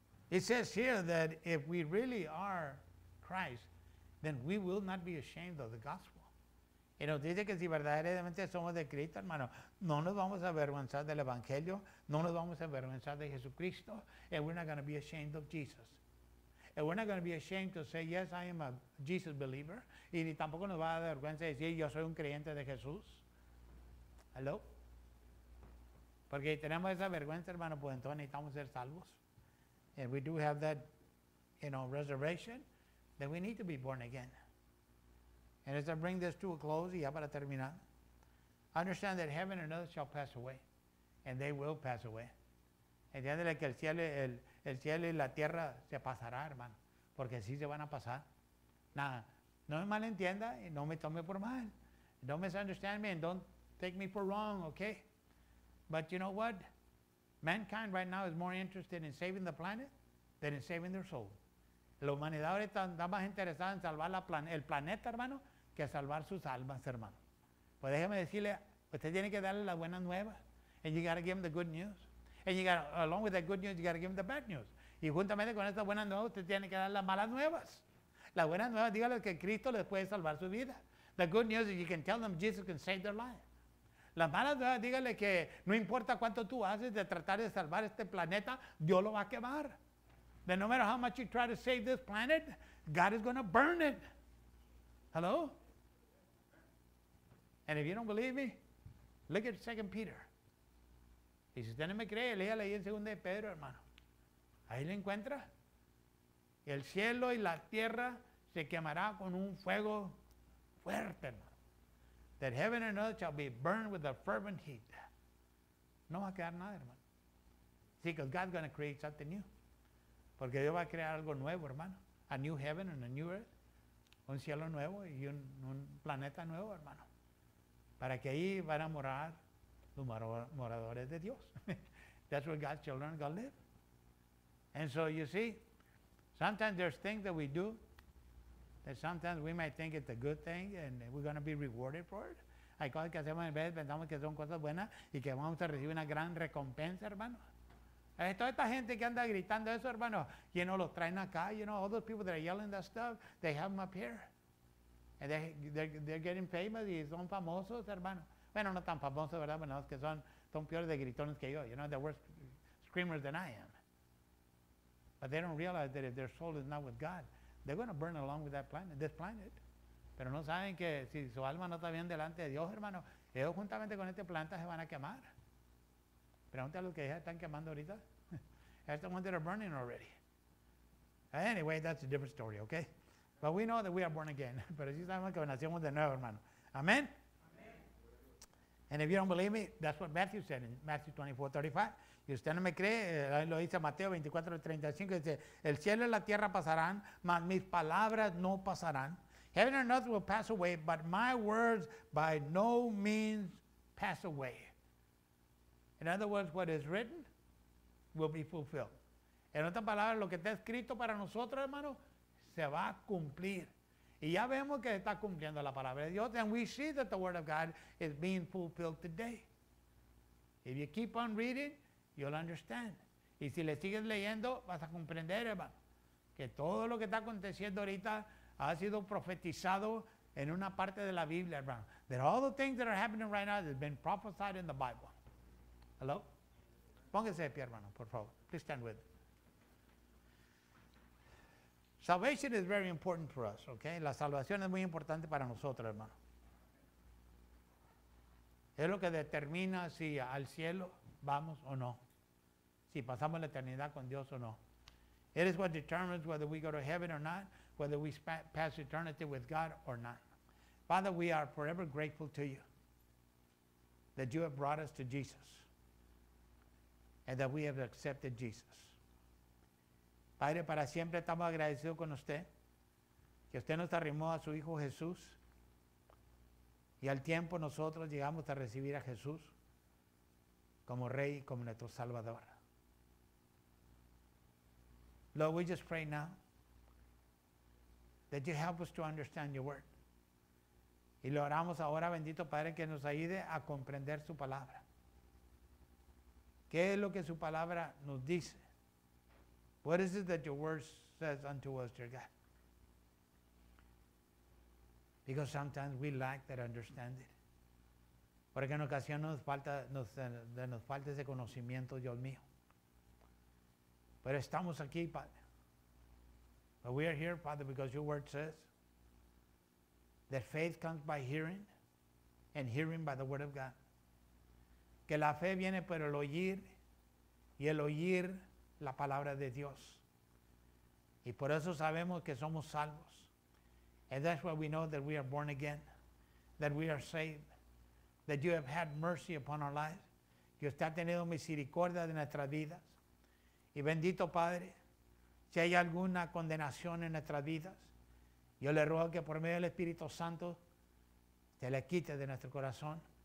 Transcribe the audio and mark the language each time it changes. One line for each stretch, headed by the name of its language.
English: It says here that if we really are Christ, then we will not be ashamed of the gospel.
Spanish: Y nos dice que si verdaderamente somos de Cristo, hermano, no nos vamos a avergonzar del Evangelio, no nos vamos a avergonzar de Jesucristo,
English: and we're not going to be ashamed of Jesus. And we're not going to be ashamed to say, yes, I am a Jesus believer.
Spanish: Y ni tampoco nos va a dar vergüenza decir, yo soy un creyente de Jesús.
English: Hello?
Spanish: Porque tenemos esa vergüenza, hermano, pues entonces necesitamos ser salvos.
English: And we do have that, you know, reservation, that we need to be born again. And as I bring this to a close,
Spanish: y ya para terminar,
English: understand that heaven and earth shall pass away, and they will pass away.
Spanish: Entiéndele que el cielo y la tierra se pasará, hermano, porque sí se van a pasar. Nada, no me malentienda y no me tome por mal.
English: Don't misunderstand me and don't take me for wrong, okay? But you know what? Mankind right now is more interested in saving the planet than in saving their soul.
Spanish: La humanidad ahorita está más interesada en salvar el planeta, hermano, que salvar sus almas, hermano. Pues déjeme decirle, usted tiene que darle la buena nueva.
English: And you got to give them the good news. And you got, along with that good news, you got to give them the bad news.
Spanish: Y juntamente con esta buena nueva, usted tiene que dar las malas nuevas. La buena nueva, dígale que Cristo les puede salvar su vida.
English: The good news is you can tell them Jesus can save their life.
Spanish: La mala nueva, dígale que no importa cuánto tú haces de tratar de salvar este planeta, Dios lo va a quemar.
English: That no matter how much you try to save this planet, God is going to burn it. Hello? And if you don't believe me, look at 2 Peter.
Spanish: Y si usted no me cree, léale ahí en 2 Pedro, hermano. Ahí lo encuentra. El cielo y la tierra se quemará con un fuego fuerte, hermano.
English: That heaven and earth shall be burned with a fervent heat.
Spanish: No va a quedar nada, hermano.
English: See, because God's going to create something new.
Spanish: Porque Dios va a crear algo nuevo, hermano.
English: A new heaven and a new earth.
Spanish: Un cielo nuevo y un planeta nuevo, hermano. Para que ahí van a morar los moradores de Dios.
English: That's where God's children are going to live. And so, you see, sometimes there's things that we do that sometimes we might think it's a good thing and we're going to be rewarded for it.
Spanish: Hay cosas que hacemos en vez, pensamos que son cosas buenas y que vamos a recibir una gran recompensa, hermano. Toda esta gente que anda gritando eso, hermano,
English: you know,
Spanish: los traen acá,
English: you know, all those people that are yelling that stuff, they have them up here. And they're getting famous
Spanish: y son famosos, hermano. Bueno, no tan famosos, ¿verdad? Bueno, es que son peores de gritones que yo,
English: you know, they're worse screamers than I am. But they don't realize that if their soul is not with God, they're going to burn along with that planet, this planet.
Spanish: Pero no saben que si su alma no está bien delante de Dios, hermano, ellos juntamente con este planeta se van a quemar. Pregúntale a los que ya están quemando ahorita.
English: That's the ones that are burning already. Anyway, that's a different story, okay? But we know that we are born again.
Spanish: Pero sí sabemos que nacimos de nuevo, hermano.
English: Amen? And if you don't believe me, that's what Matthew said in Matthew 24:35.
Spanish: Y usted no me cree, lo dice Mateo 24:35. Dice, el cielo y la tierra pasarán, mas mis palabras no pasarán.
English: Heaven and earth will pass away, but my words by no means pass away. In other words, what is written will be fulfilled.
Spanish: En otras palabras, lo que está escrito para nosotros, hermano, se va a cumplir. Y ya vemos que está cumpliendo la palabra de Dios.
English: And we see that the word of God is being fulfilled today. If you keep on reading, you'll understand.
Spanish: Y si le sigues leyendo, vas a comprender, hermano, que todo lo que está aconteciendo ahorita ha sido profetizado en una parte de la Biblia, hermano.
English: That all the things that are happening right now has been prophesied in the Bible. Hello?
Spanish: Póngase de pie, hermano, por favor.
English: Please stand with me. Salvation is very important for us, okay?
Spanish: La salvación es muy importante para nosotros, hermano. Es lo que determina si al cielo vamos o no. Si pasamos la eternidad con Dios o no.
English: It is what determines whether we go to heaven or not, whether we pass eternity with God or not. Father, we are forever grateful to you that you have brought us to Jesus and that we have accepted Jesus.
Spanish: Padre, para siempre estamos agradecidos con usted, que usted nos arrimó a su Hijo Jesús y al tiempo nosotros llegamos a recibir a Jesús como Rey y como nuestro Salvador.
English: Lord, we just pray now that you help us to understand your word.
Spanish: Y lo oramos ahora, bendito Padre, que nos ayude a comprender su palabra. ¿Qué es lo que su palabra nos dice?
English: What is it that your word says unto us, dear God? Because sometimes we lack that understanding.
Spanish: Porque en ocasiones nos falta ese conocimiento, Dios mío. Pero estamos aquí, Padre.
English: But we are here, Father, because your word says that faith comes by hearing and hearing by the word of God.
Spanish: Que la fe viene por el oír y el oír la palabra de Dios. Y por eso sabemos que somos salvos.
English: And that's why we know that we are born again, that we are saved, that you have had mercy upon our lives,
Spanish: que usted ha tenido misericordia de nuestras vidas. Y bendito Padre, si hay alguna condenación en nuestras vidas, yo le ruego que por medio del Espíritu Santo te la quite de nuestro corazón